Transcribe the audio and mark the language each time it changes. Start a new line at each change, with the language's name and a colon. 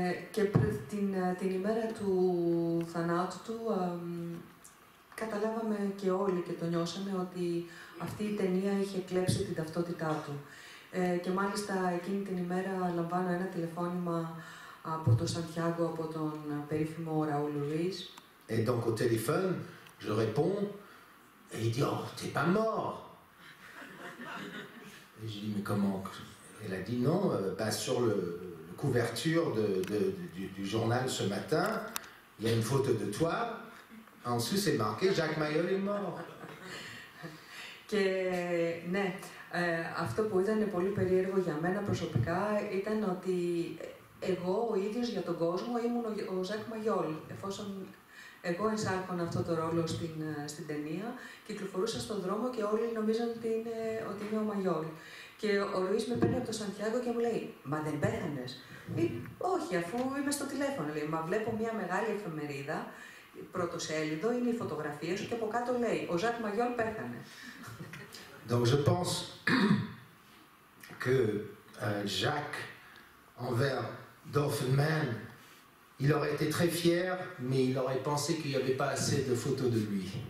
Greek: Και πριν την ημέρα του θανάτου του, καταλάβαμε και όλοι και το νιώσαμε ότι αυτή η ταινία είχε κλέψει την ταυτότητά του. Και μάλιστα εκείνη την ημέρα λαμβάνω ένα τηλεφώνημα από τον Σαντιάγκο, από τον περίφημο Ραούλ Ρουίς.
French: Et donc au téléphone, je réponds. Et il dit, oh, t'es pas mort. Et je dis, mais comment? Elle a dit, non, bah, sur la couverture du journal ce matin, il y a une photo de toi. En dessous, c'est marqué, Jacques Maillol est mort.
Greek: Και ναι, αυτό που ήταν πολύ περίεργο για μένα προσωπικά ήταν ότι εγώ ο ίδιος για τον κόσμο ήμουν ο Ζακ Μαγιόλ, εφόσον εγώ εισάρχωνα αυτό το ρόλο στην ταινία, κυκλοφορούσα στον δρόμο και όλοι νομίζαν ότι είμαι ο Μαγιόλ. Και ο Ρουίς με παίρνει από το Σαντιάγκο και μου λέει, μα δεν πέθανες. Όχι, αφού είμαι στο τηλέφωνο. Λέει, μα βλέπω μια μεγάλη εφημερίδα, πρωτοσέλιδο, είναι η φωτογραφία σου και από κάτω λέει, ο Ζακ Μαγιόλ πέθανε.
French: Donc je pense que Jacques, envers Dorfman, il aurait été très fier, mais il aurait pensé qu'il n'y avait pas assez de photos de lui.